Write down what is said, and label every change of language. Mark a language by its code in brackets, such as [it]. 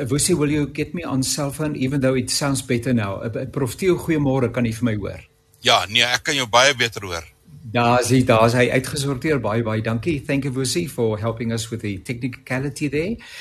[en] Wussie, will you get me on cell phone, even though it sounds better now? [af] Prof Tio, goeiemôre, kan jy vir my hoor? Ja, nee, ek kan jou baie beter hoor. Daar is hy uitgesorteer, baie, baie dankie. [en] Thank you, Wussie, for helping us with the technicality there.